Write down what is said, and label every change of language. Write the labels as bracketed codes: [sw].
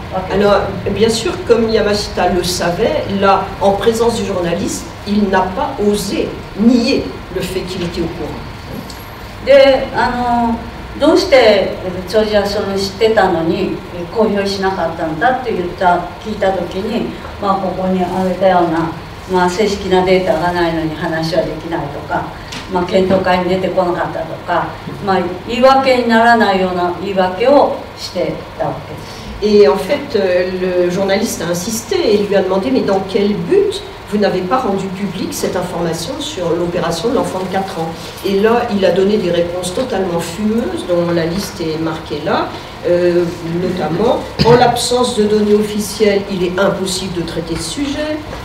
[fr] Alors, bien sûr, comme Yamashita le savait, là, en présence du journaliste, il n'a pas osé nier le fait qu'il était au courant. [ja] どうして長寿はその知ってたのに公表しなかったんだって言った聞いたときに、まあ、ここに挙げたような、まあ、正式なデータがないのに話はできないとか、まあ、検討会に出てこなかったとか、まあ、言い訳にならないような言い訳をしてたわけです。 [fr] Et en fait, le journaliste a insisté et lui a demandé mais dans quel but vous n'avez pas rendu public cette information sur l'opération de l'enfant de 4 ans. Et là, il a donné des réponses totalement fumeuses, dont la liste est marquée là, notamment en l'absence de données officielles, il est impossible de traiter ce sujet.